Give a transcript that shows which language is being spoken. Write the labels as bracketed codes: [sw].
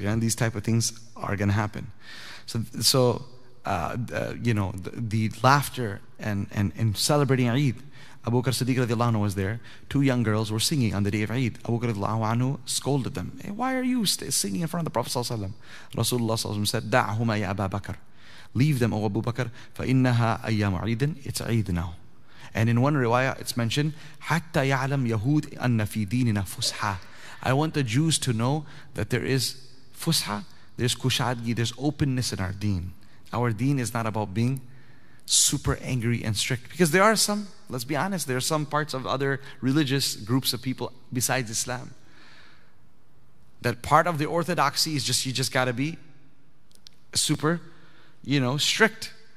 [en] And these type of things are going to happen." So the laughter and celebrating Eid. Abu Bakr Siddiq radiallahu anhu was there. Two young girls were singing on the day of Eid. Abu Bakr radiallahu anhu scolded them. Hey, why are you singing in front of the Prophet sallallahu alaihi wasallam? Rasulullah sallallahu alaihi wasallam said, [ar] "Da'huma ya Abu Bakr, [en] leave them, O Abu Bakr. [ar] Fa innaha ayyam Eidin, [en] it's Eid now." And in one riwayah, it's mentioned, [ar] حَتَّى يَعْلَمْ يَهُودِ أَنَّ فِي دِينِنَا فُسْحَى. [en] I want the Jews to know that there is fusha, there's kushadgi, there's openness in our deen. Our deen is not about being super angry and strict. Because there are some, let's be honest, there are some parts of other religious groups of people besides Islam that part of the orthodoxy is just, you just gotta be super, you know, strict.